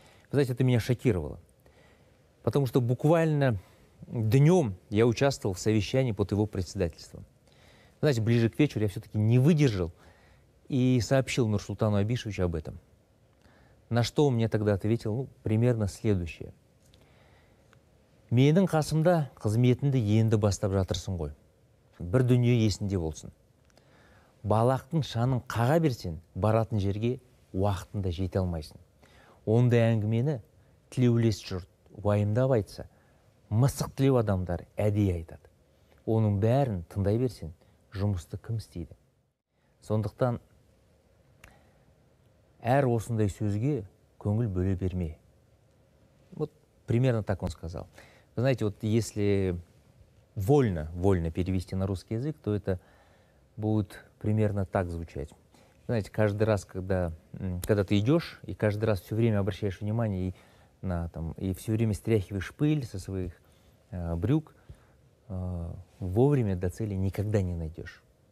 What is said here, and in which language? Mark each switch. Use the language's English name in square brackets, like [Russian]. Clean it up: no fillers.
[Russian] Вы знаете, это меня шокировало. Потому что буквально днем я участвовал в совещании под его председательством. Знаете, ближе к вечеру я все-таки не выдержал и сообщил Нурсултану Абишевичу об этом. На что он мне тогда ответил, ну, примерно следующее. [Kazakh] «Менің қасымда қызметінді енді бастап жатырсың ғой. Бір дүние есінде болсын. Балақтың шанын қаға берсен, баратын жерге уақытында жете алмайсын. Ондай әңгімені тілеулес жұрт, уайымдап айтса, мысық тілеу адамдар әдей айтады. Оның бәрін тыңдай берсен, жұмысты кім істейді?» Сондықтан әр осындай сөзге көңіл бөле берме. [Russian] Вот примерно так он сказал. Вы знаете, вот если вольно перевести на русский язык, то это будет примерно так звучать. Вы знаете, каждый раз, когда ты идешь, и каждый раз все время обращаешь внимание и все время стряхиваешь пыль со своих брюк, вовремя до цели никогда не найдешь.